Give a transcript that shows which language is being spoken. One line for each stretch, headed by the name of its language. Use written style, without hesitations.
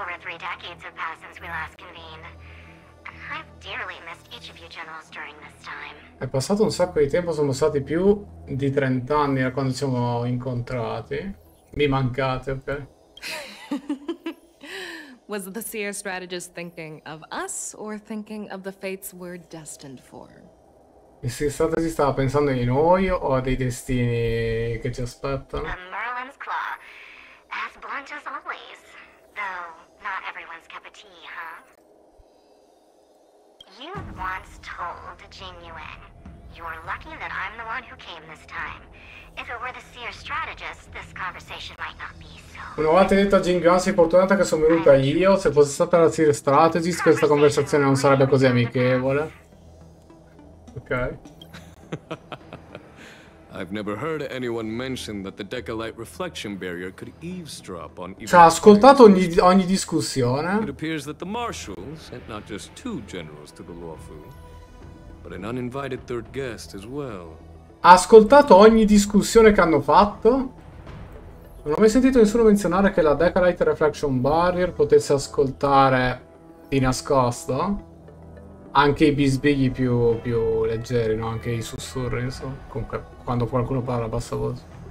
English: Decades have passed since we last convened. I've dearly missed each of you generals during this time.
Italian: È passato un sacco di tempo, sono stati più di 30 anni da quando ci siamo incontrati. Mi mancate, ok?
English: Was the seer strategist thinking of us or thinking of the fates we're destined for?
Italian: Il seer strategist stava pensando di noi o dei destini che ci aspettano?
English: The Merlin's Claw, as blunt as always, though. Not everyone's cup of tea, huh? You once told Jing Yuan, you're lucky that I'm the one who came this time. If it were the seer strategist, this conversation might not be so.
Italian: Una volta detto a Jing Yuan, sei fortunata che sono venuta io. Se fosse stata la seer strategist, questa conversazione non sarebbe così amichevole.
English: Ok. I've never heard anyone mention that the Decalite reflection barrier could eavesdrop on even.
Italian: Ci ha ascoltato ogni discussione.
English: It appears that the marshal sent not just two generals to the Luofu, but an uninvited third guest as well.
Italian: Ha ascoltato ogni discussione che hanno fatto? Non ho mai sentito nessuno menzionare che la Decalite reflection barrier potesse ascoltare di nascosto anche i bisbigli più leggeri, no? Anche i sussurri, insomma. Comunque, quando qualcuno parla a bassa voce.